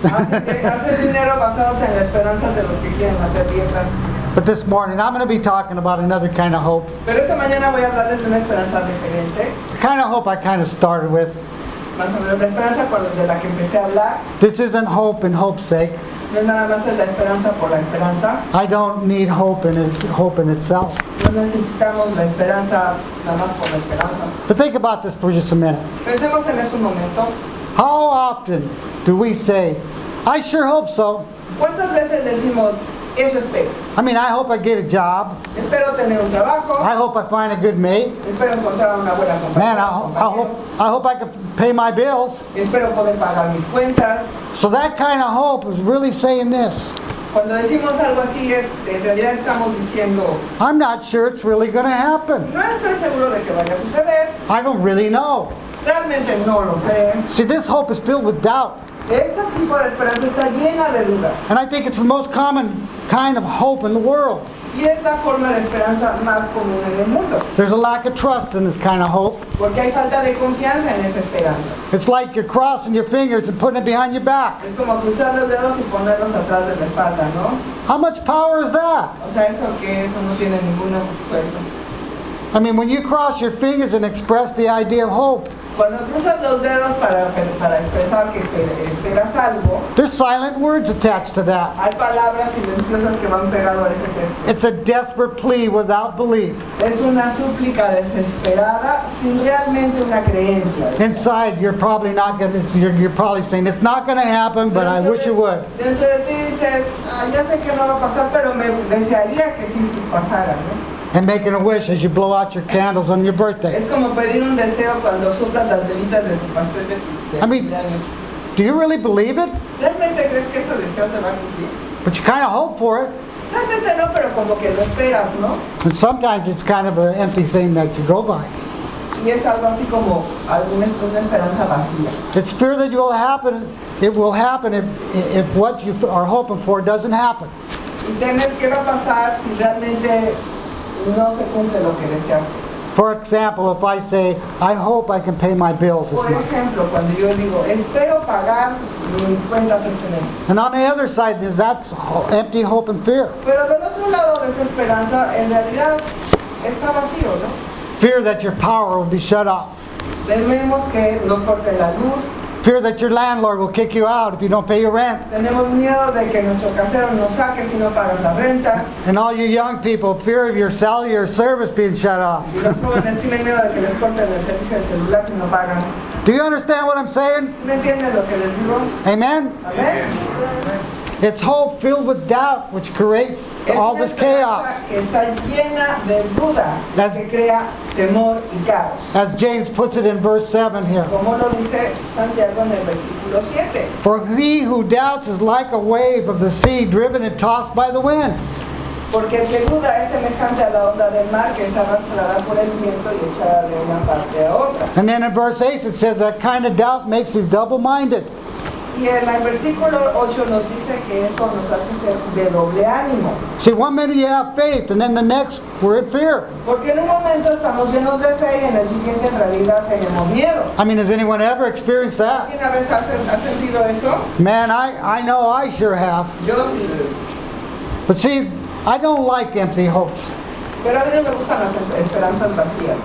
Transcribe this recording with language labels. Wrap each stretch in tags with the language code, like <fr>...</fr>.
<es>Hacen dinero basados en la esperanza de los que quieren hacer dietas.</es> <en>But this morning, I'm going to be talking about another kind of hope.</en> <es>Pero esta mañana voy a hablarles de una esperanza diferente.</es> <en>The kind of hope I kind of started with.</en> <es>Más o menos la esperanza de la que empecé a hablar.</es> <en>This isn't hope in hope's sake.</en> <es>No es nada más la esperanza por la esperanza.</es> <en>I don't need hope in itself.</en> <es>No necesitamos la esperanza nada más por la esperanza.</es> <en>But think about this for just a minute.</en> <es>Pensemos en este momento.</es> <en>How often do we say, I sure hope so?</en> <es>¿Cuántas veces decimos, eso espero?</es> <en>I mean, I hope I get a job.</en> <es>Espero tener un trabajo.</es> <en>I hope I find a good mate.</en> <es>Espero encontrar una buena compañera.</es> <en>Man, I hope I can pay my bills.</en> <es>Espero poder pagar mis cuentas.</es> <en>So that kind of hope is really saying this.</en> <es>Cuando decimos algo así, en realidad estamos diciendo,</es> <en>I'm not sure it's really going to happen.</en> <es>No estoy seguro de que vaya a suceder.</es> <en>I don't really know.</en> <es>Realmente no lo sé.</es> <en>See, this hope is filled with doubt.</en> <es>Este tipo de esperanza está llena de duda.</es> <en>And I think it's the most common kind of hope in the world.</en> <es>Y es la forma de esperanza más común en el mundo.</es> <en>There's a lack of trust in this kind of hope.</en> <es>Porque hay falta de confianza en esa esperanza.</es> <en>It's like you're crossing your fingers and putting it behind your back.</en> <es>Es como cruzar los dedos y ponerlos atrás de la espalda, ¿no?</es> <en>How much power is that?</en> <es>O sea, eso que eso no tiene ninguna fuerza.</es> <en>I mean, when you cross your fingers and express the idea of hope,</en> <es>cuando cruzas los dedos para expresar que esperas algo,</es> <en>there's silent words attached to that.</en> <es>Hay palabras silenciosas que van pegado a ese texto.</es> <en>It's a desperate plea without belief.</en> <es>Es una súplica desesperada sin realmente una creencia.</es> <en>Inside, you're probably not going to, you're probably saying, it's not going to happen, but I wish it would.</en> <es>Dentro de ti dices, ya sé que no va a pasar, pero me desearía que sí pasara, ¿no?</es> <en>And making a wish as you blow out your candles on your birthday.</en> <es>Es como pedir un deseo cuando soplas las velitas de tu pastel de cumpleaños.</es> <en>I mean, do you really believe it?</en> <es>¿Realmente crees que ese deseo se va a cumplir?</es> <en>But you kind of hope for it.</en> <es>Realmente no, pero como que lo esperas, ¿no?</es> <en>And sometimes it's kind of an empty thing that you go by.</en> <es>Y es algo así como alguna esperanza vacía.</es> <en>It's fear that it will happen. It will happen if what you are hoping for doesn't happen.</en> <es>Y temes qué va a pasar si realmente no se cumple lo que deseaste.</es> <en>For example, if I say, I hope I can pay my bills this month.</en> <es>Por ejemplo, cuando yo digo, espero pagar mis cuentas este mes.</es> <en>And on the other side, is that empty hope and fear.</en> <es>Pero del otro lado de esa esperanza, en realidad, está vacío, ¿no?</es> <en>Fear that your power will be shut off.</en> <es>Tememos que nos corte la luz.</es> <en>Fear that your landlord will kick you out if you don't pay your rent.</en> <es>Tenemos miedo de que nuestro casero nos saque si no pagas la renta.</es> <en>And all you young people, fear of your cellular service being shut off.</en> <es>Y los jóvenes tienen miedo de que les corten el servicio de celular si no pagan.</es> <en>Do you understand what I'm saying?</en> <es>¿Me entienden lo que les digo?</es> <en>Amen?</en> <es>Amen.</es> <en>It's hope filled with doubt which creates all this chaos.</en> <es>Que está llena de duda, as, que crea temor y caos.</es> <en>As James puts it in verse 7 here.</en> <es>Como lo dice Santiago en el versículo 7.</es> <en>For he who doubts is like a wave of the sea driven and tossed by the wind.</en> <es>Porque el que duda es semejante a la onda del mar que es arrastrada por el viento y echada de una parte a otra.</es> <en>And then in verse 8 it says that kind of doubt makes you double minded.</en> <es>Y en el versículo 8 nos dice que eso nos hace ser de doble ánimo.</es> <en>See, one minute you have faith, and then the next we're in fear.</en> <es>Porque en un momento estamos llenos de fe y en el siguiente en realidad tenemos miedo.</es> <en>I mean, has anyone ever experienced that?</en> <es>¿Alguna vez ha sentido eso?</es> <en>Man, I know I sure have.</en> <es>Yo sí.</es> <en>But see, I don't like empty hopes.</en> <es>Pero a mí no me gustan las esperanzas vacías.</es>